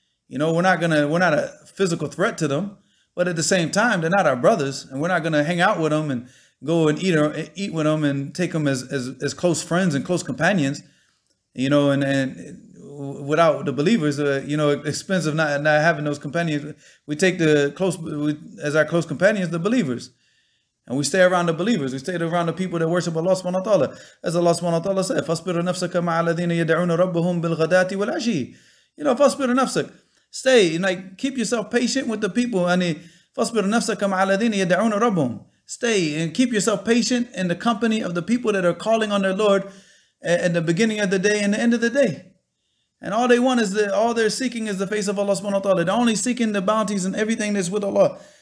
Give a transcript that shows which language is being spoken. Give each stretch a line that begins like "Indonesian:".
English: You know, we're not a physical threat to them, but at the same time, they're not our brothers, and we're not going to hang out with them and go and eat with them and take them as close friends and close companions, you know, and without the believers, expense of not having those companions. We take as our close companions, the believers, and we stay around the believers. We stay around the people that worship Allah subhanahu wa ta'ala. As Allah subhanahu wa ta'ala said,
Arabic: فَاصْبِرْ نَفْسَكَ مَعَ الَّذِينَ يَدْعُونَ رَبَّهُمْ بِالْغَدَاتِ وَالْعَشِيِ.
English: You know,
Arabic: فَاصْبِرْ نَفْسَكَ.
English: Stay, like, keep yourself patient with the people.
Arabic: فَاصْبِرْ نَفْسَكَ مَعَ الَّذِينَ يَدْعُونَ رَبُّهُمْ.
English: Stay and keep yourself patient in the company of the people that are calling on their Lord at the beginning of the day and the end of the day. And all they want is all they're seeking is the face of Allah subhanahu wa ta'ala. They're only seeking the bounties and everything that's with Allah.